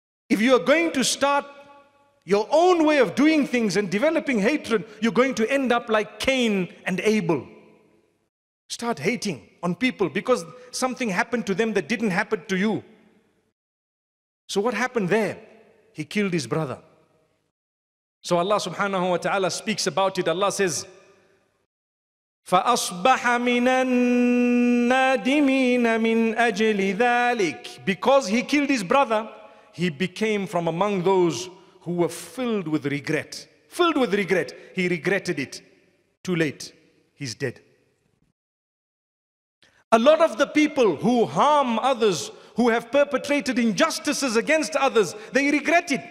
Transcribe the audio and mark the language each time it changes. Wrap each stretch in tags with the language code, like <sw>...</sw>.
<en>If you are going to start your own way of doing things and developing hatred, you're going to end up like Cain and Abel. Start hating on people because something happened to them that didn't happen to you. So what happened there? He killed his brother. So Allah subhanahu wa ta'ala speaks about it. Allah says,</en> <ar>فَأَصْبَحَ مِنَ النَّادِمِينَ مِنْ أَجْلِ ذَلِكَ.</ar> <en>Because he killed his brother, he became from among those who were filled with regret. Filled with regret. He regretted it. Too late. He's dead. A lot of the people who harm others, who have perpetrated injustices against others, they regret it.</en>